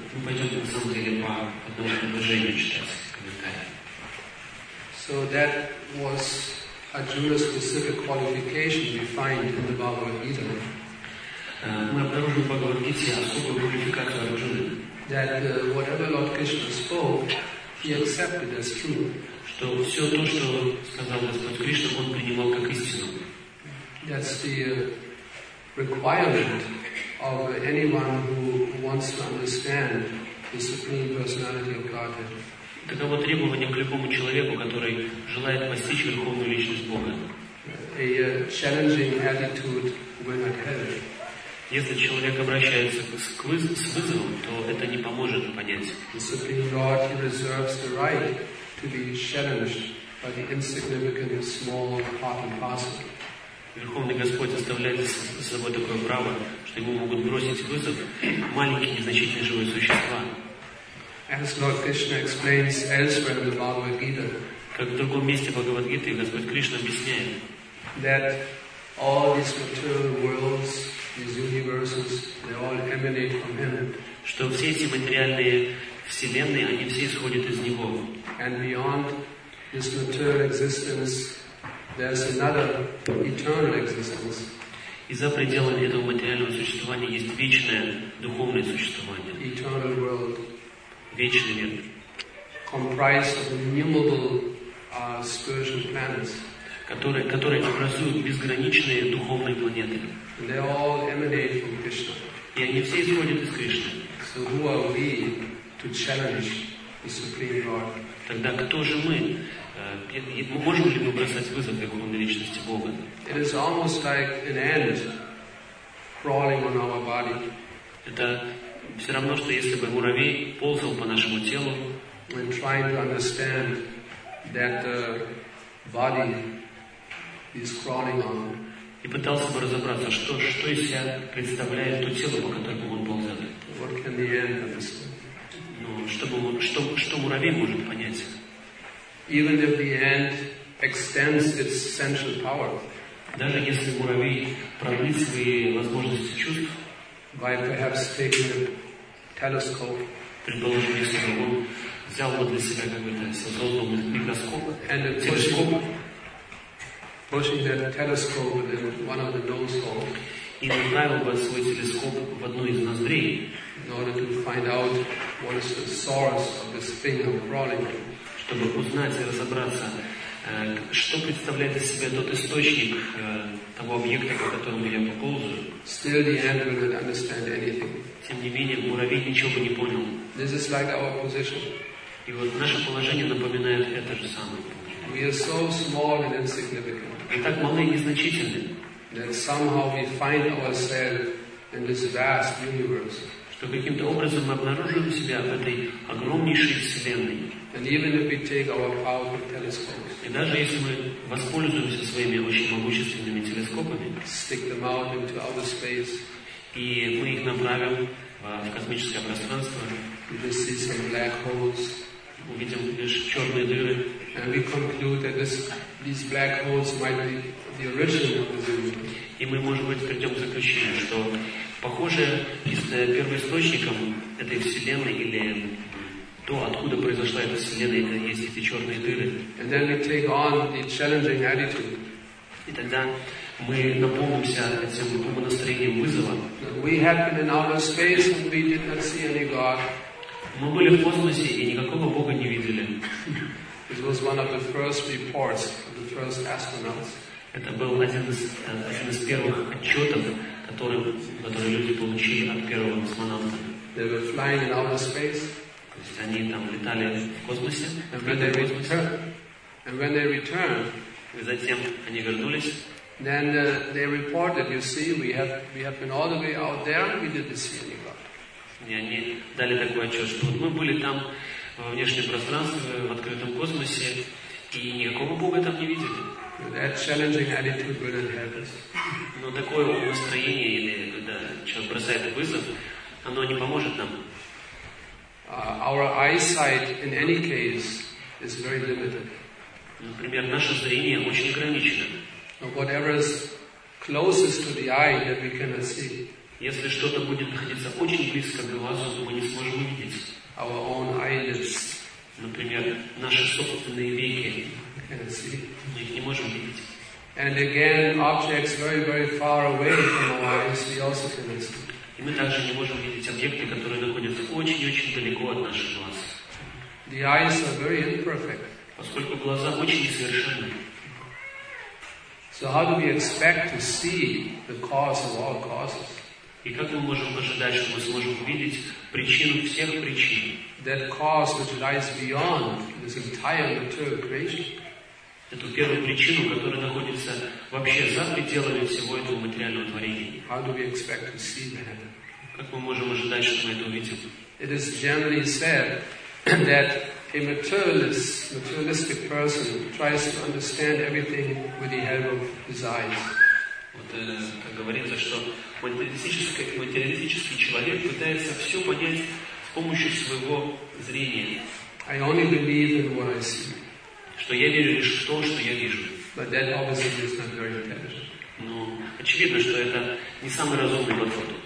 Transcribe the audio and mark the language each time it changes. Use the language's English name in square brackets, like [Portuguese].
[Russian] Мы пойдем на самом деле по одному предложению читать комментарий. [English] So that was Arjuna's specific qualification we find in the Bhagavad Gita. [Russian] Мы обнаружим в Бхагавад-гите особую квалификацию Арджуны. [English] That whatever Lord Krishna spoke, he accepted as true. [Russian] Что все то, что сказал Господь Кришна, он принимал как истину. [English] That's the requirement of anyone who wants to understand the Supreme Personality of Godhead. [Russian] Таково требование к любому человеку, который желает постичь Верховную Личность Бога. [English] A challenging attitude when at heaven. [Russian] Если человек обращается с вызовом, то это не поможет понять. [English] The Supreme Lord, he reserves the right to be challenged by the insignificant and small part and parcel. [Russian] Верховный Господь оставляет за собой такое право, что ему могут бросить вызов маленькие незначительные живые существа. [English] As Lord Krishna explains elsewhere in the Bhagavad Gita, [Russian] как в другом месте Бхагавад Гиты Господь Кришна объясняет, [English] that all these material worlds, these universes, they all emanate from Him. [Russian] Что все эти материальные вселенные, они все исходят из Него. [English] And beyond this material existence, there's another eternal existence. [Russian] И за пределами этого материального существования есть вечное духовное существование. [English] Eternal world. [Russian] Вечный мир. [English] Comprised of innumerable spiritual planets. [Russian] Которые образуют безграничные духовные планеты. [English] They all emanate from Krishna. [Russian] И они все исходят из Кришны. [English] So who are we to challenge the Supreme Lord? [Russian] Тогда кто же мы? Мы можем ли мы бросать вызов Верховной Личности Бога? [English] It is almost like an ant crawling on our body. [Russian] Это все равно, что если бы муравей ползал по нашему телу. [English] When trying to understand that body is crawling on. [Russian] И пытался бы разобраться, что из себя представляет то тело, по которому он ползает. [English] What can the ant understand? [Russian] Ну, что муравей может понять? [English] Even if the ant extends its sensual power. [Russian] Даже если муравей продлит свои возможности чувств. [English] By perhaps taking a telescope. [Russian] Предположим, если бы он взял бы для себя какой-то создал микроскоп. [English] And a [Russian] телескоп. [English] Pushing that telescope with one of the nose holes. [Russian] И направил бы свой телескоп в одну из ноздрей. [English] In order to find out what is the source of this thing I'm crawling on. [Russian] Чтобы узнать и разобраться, что представляет из себя тот источник того объекта, по которому я ползаю. [English] Still the ant will not understand anything. [Russian] Тем не менее, муравей ничего бы не понял. [English] This is like our position. [Russian] И вот наше положение напоминает это же самое. [English] We are so small and insignificant. [Russian] Мы так малы и незначительны. [English] That somehow we find ourselves in this vast universe. [Russian] Что каким-то образом мы обнаруживаем себя в этой огромнейшей вселенной. [English] And even if we take our powerful telescopes. [Russian] И даже если мы воспользуемся своими очень могущественными телескопами. [English] Stick them out into outer space. [Russian] И мы их направим в космическое пространство. [English] We see some black holes. [Russian] Увидим лишь черные дыры. [English] And we conclude that these black holes might be the origin of the universe. [Russian] И мы, может быть, придем к заключению, что похоже, первоисточником этой вселенной или то, откуда произошла эта вселенная, это есть эти черные дыры. [English] And then we take on the challenging attitude. [Russian] И тогда мы наполнимся этим настроением вызова. [English] We have been in outer space and we did not see any God. [Russian] Мы были в космосе и никакого Бога не видели. [English] It was one of the first reports of the first astronauts. [Russian] Это был один из первых отчетов, которые люди получили от первого космонавта. [English] They were flying in outer space. [Russian] То есть они там летали в космосе. [English] And when they returned, [Russian] и затем они вернулись. [English] Then they reported, you see, we have been all the way out there, we didn't see any God. [Russian] И они дали такой отчет, что мы были там во внешнем пространстве, в открытом космосе, и никакого Бога там не видели. [English] That challenging attitude wouldn't help us. [Russian] Но такое настроение, или когда человек бросает вызов, оно не поможет нам. [English] Our eyesight, in any case, is very limited. [Russian] Например, наше зрение очень ограничено. [English] Whatever is closest to the eye that we cannot see. [Russian] Если что-то будет находиться очень близко к глазу, то мы не сможем увидеть. [English] Our own eyelids. [Russian] Например, наши собственные веки. [English] Cannot see. [Russian] Мы их не можем видеть. [English] And again, objects very, very far away from our eyes, we also cannot see. [Russian] И мы также не можем видеть объекты, которые находятся очень-очень далеко от наших глаз. [English] The eyes are very imperfect. [Russian] Поскольку глаза очень несовершенны. [English] So how do we expect to see the cause of all causes? [Russian] И как мы можем ожидать, что мы сможем увидеть причину всех причин? [English] That cause which lies beyond this entire material creation. [Russian] Эту первую причину, которая находится вообще за пределами всего этого материального творения. [English] How do we expect to see that? [Russian] Как мы можем ожидать, что мы это увидим? [English] It is generally said that a materialistic person tries to understand everything with the help of his eyes. [Russian] Вот как говорится, что материалистический человек пытается все понять с помощью своего зрения. [English] I only believe in what I see. [Russian] Что я верю лишь в то, что я вижу. [English] But that obviously is not very intelligent. [Russian] Но очевидно, что это не самый разумный подход.